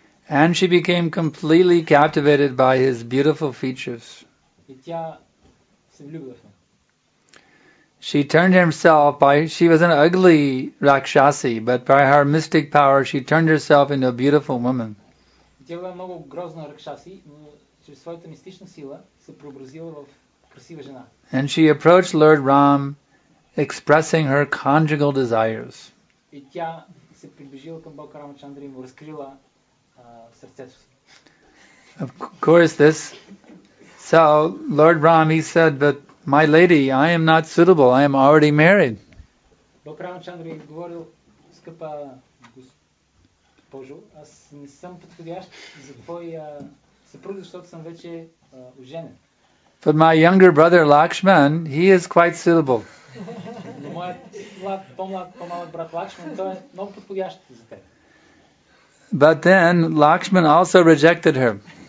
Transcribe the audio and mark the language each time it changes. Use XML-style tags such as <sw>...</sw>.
<en>And she became completely captivated by his beautiful features.</en> <bg>И тя се влюбила в него.</bg> <en>She turned herself by she was an ugly Rakshasi, but by her mystic power she turned herself into a beautiful woman.</en> <bg>И тя била много грозна Ракшаси, но чрез своята мистична сила се преобразила в красива жена.</bg> <en>And she approached Lord Ram, expressing her conjugal desires.</en> <bg>И тя се приближила към Бог Рамачандра и му разкрила сърцето си.</bg> <en>Of course this. So Lord Ram, he said, but my lady, I am not suitable. I am already married.</en> <bg>Бог Рамачандра е говорил, скъпа госпожо, аз не съм подходящ за твой съпруг, защото съм вече оженен.</bg> <en>But my younger brother Lakshman, he is quite suitable.</en> <bg>Моят по-млад брат Лакшман, той е много подходящ за теб.</bg> <en>But then Lakshman also rejected her.</en>